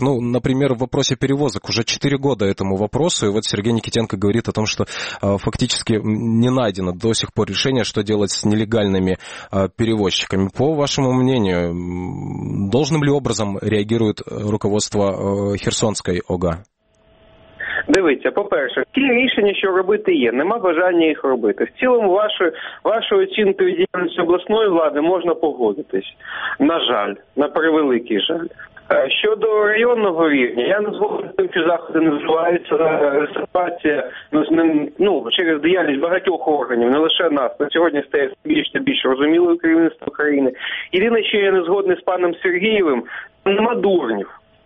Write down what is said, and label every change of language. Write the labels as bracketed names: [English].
[Russian] Например, в вопросе перевозок уже 4 года этому вопросу, и вот Сергей Никитенко говорит о том, что фактически не найдено до сих пор решение, что делать с нелегальными перевозчиками. По вашему мнению, должным ли образом реагирует руководство Херсонской ОГА? [Ukrainian] Дивіться, по-перше, ті рішення, що робити є, нема бажання їх робити. В цілому, вашу оцінку діяльності обласної влади можна погодитись. На жаль, на превеликий жаль. Щодо районного рівня, я не згоден з тим, що заходи не вживаються, ситуація через діяльність багатьох органів, не лише нас, на сьогодні стає більш та більш розумілою керівництво України. Єдине, що я не згодний з паном Сергієвим, нема дурнів.